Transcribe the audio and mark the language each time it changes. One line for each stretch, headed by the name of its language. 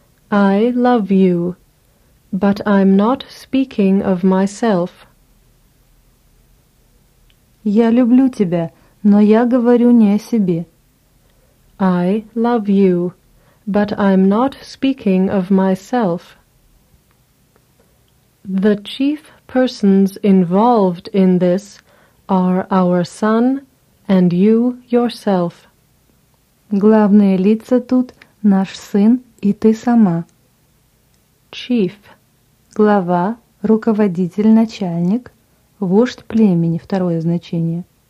English: I love you, but I'm not speaking of myself.
Russian: Я люблю тебя, но я говорю не о себе.
English: I love you. But I'm not speaking of myself. The chief persons involved in this are our son and you yourself.
Russian: Главные лица тут – наш сын и ты сама.
English: Chief.
Russian: Глава, руководитель, начальник, вождь племени – второе значение.